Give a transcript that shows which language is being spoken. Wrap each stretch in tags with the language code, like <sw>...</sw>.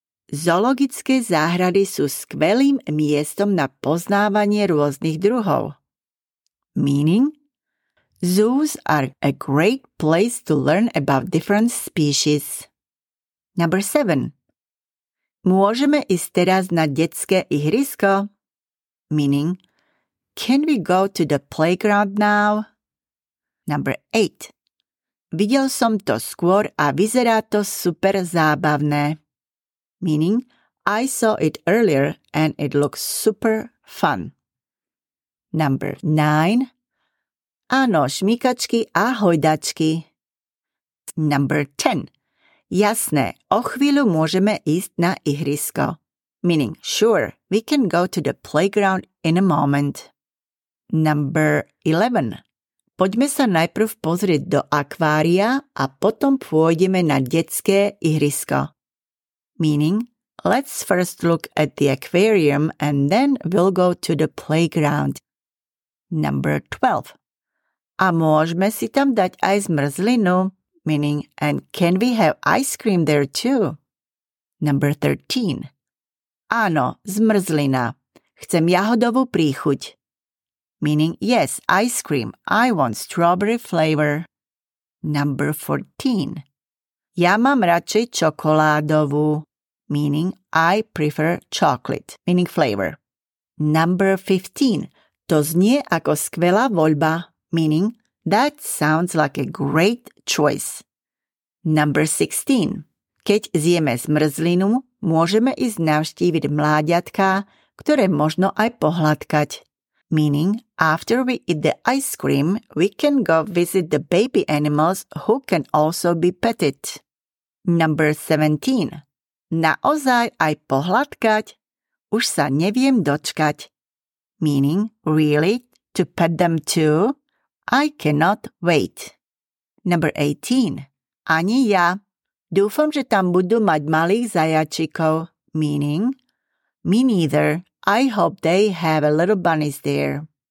<sk>Zoologické záhrady sú skvelým miestom na poznávanie rôznych druhov.</sk> <en>Meaning, zoos are a great place to learn about different species. Number 7.</en> <sk>Môžeme ísť teraz na detské ihrisko?</sk> <en>Meaning, can we go to the playground now? Number 8.</en> <sk>Videl som to skôr a vyzerá to super zábavné.</sk> <en>Meaning, I saw it earlier and it looks super fun. Number 9.</en> <sk>Áno, šmíkačky a hojdačky.</sk> <en>Number 10.</en> <sk>Jasné, o chvíľu môžeme ísť na ihrisko.</sk> <en>Meaning, sure, we can go to the playground in a moment. Number 11.</en> <sk>Poďme sa najprv pozrieť do akvária a potom pôjdeme na detské ihrisko.</sk> <en>Meaning, let's first look at the aquarium and then we'll go to the playground. Number 12.</en> <sk>A môžeme si tam dať aj zmrzlinu?</sk> <en>Meaning, and can we have ice cream there too? Number 13.</en> <sk>Áno, zmrzlina. Chcem jahodovú príchuť.</sk> <en>Meaning, yes, ice cream. I want strawberry flavor. Number 14.</en> <sk>Ja mám radšej čokoládovú.</sk> <en>Meaning, I prefer chocolate. Meaning, flavor. Number 15.</en> <sk>To znie ako skvelá voľba.</sk> <en>Meaning, that sounds like a great choice. Number 16.</en> <sk>Keď zjeme zmrzlinu, môžeme ísť navštíviť mláďatka, ktoré možno aj pohladkať.</sk> <en>Meaning, after we eat the ice cream, we can go visit the baby animals who can also be petted. Number 17.</en> <sk>Naozaj aj pohladkať? Už sa neviem dočkať.</sk> <en>Meaning, really, to pet them too? I cannot wait. Number 18.</en> <sk>Ani ja. Dúfam, že tam budú mať malých zajačikov.</sk> <en>Meaning, me neither. I hope they have a little bunnies there.</en>